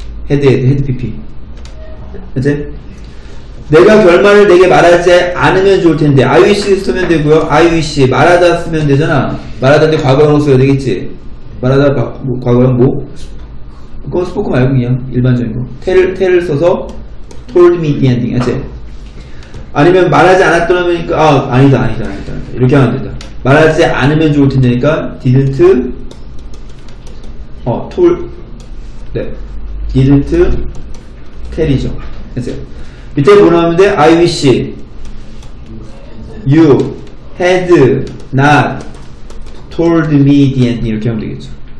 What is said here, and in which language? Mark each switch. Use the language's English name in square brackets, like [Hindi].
[Korean] had pp 그치? 내가 결말을 내게 말하지 않으면 좋을 텐데 I wish 쓰면 되고요. I wish 말하다 쓰면 되잖아. 말하다 때 과거형으로 써야 되겠지. 말하다 뭐, 과거형 뭐? 그건 스포크 말고 그냥 일반적인 거. 텔을 써서 [English] told me the ending [Korean] 하지. 아니면 말하지 않았더라면 아 아니다 이렇게 하면 된다. 말하지 않으면 좋을 텐데니까 didn't told 네 didn't tell이죠. 하지. 밑에 뭐라고 하면 돼? [English] I wish you had not told me the ending [Korean] 이렇게 하면 되겠죠.